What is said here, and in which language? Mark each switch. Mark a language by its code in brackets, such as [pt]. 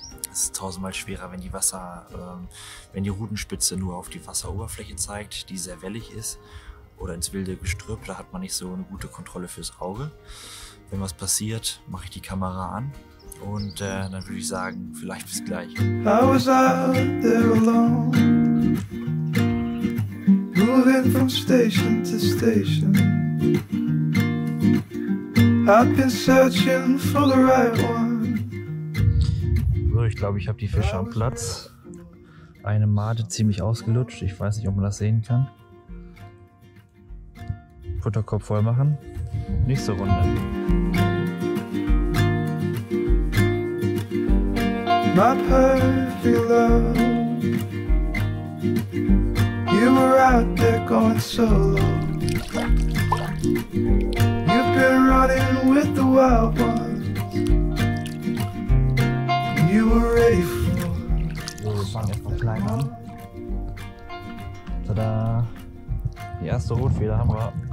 [de] Es ist 1000-mal schwerer, wenn die Rutenspitze nur auf die Wasseroberfläche zeigt, die sehr wellig ist, oder ins wilde Gestrüpp. Da hat man nicht so eine gute Kontrolle fürs Auge. Wenn was passiert, mache ich die Kamera an. Und dann würde ich sagen, vielleicht bis gleich. [en] I was out there alone, moving from station to station. I've been searching for the right one. [de] So, ich glaube, ich habe die Fische am Platz. Eine Made ziemlich ausgelutscht. Ich weiß nicht, ob man das sehen kann. Futterkorb voll machen. Nächste Runde. [en] My perfect love. You were out there going so long. You've been running with the wild ones. You were ready for. [de] So, wir fangen erstmal klein an. Tada! Die erste Rotfeder haben wir.